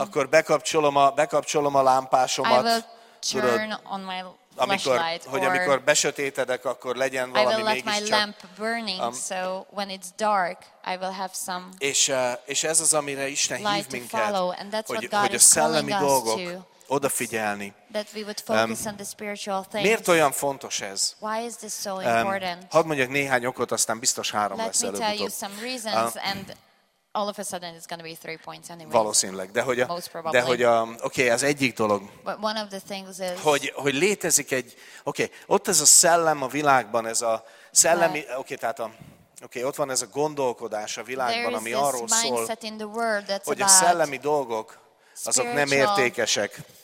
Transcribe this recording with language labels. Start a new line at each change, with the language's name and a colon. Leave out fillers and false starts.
Hungarian: Akkor bekapcsolom a lámpásomat.
English: I will turn on my flashlight.
Hungarian: Amikor besötétedek, akkor legyen valami mégiscsak.
English: I will let my lamp burning, so when it's dark, I will have some.
Hungarian: És ez az, amire Isten hív minket, hogy a szellemi dolgok odafigyelni.
English: That we would focus on the spiritual things.
Hungarian: Miért olyan fontos ez?
English: Why is this so important?
Hungarian: Hadd mondjak néhány okot, aztán biztos három
English: Let
Hungarian: lesz
English: me tell you some reasons and all of a sudden it's going to be three points anyway.
Hungarian: Valószínűleg, oké, az egyik dolog.
English: But one of the things is
Hungarian: hogy létezik egy ott ez a szellem a világban, ez a szellemi tehát a ott van ez a gondolkodás a világban, ami arról szól, hogy a szellemi dolgok azok nem értékesek.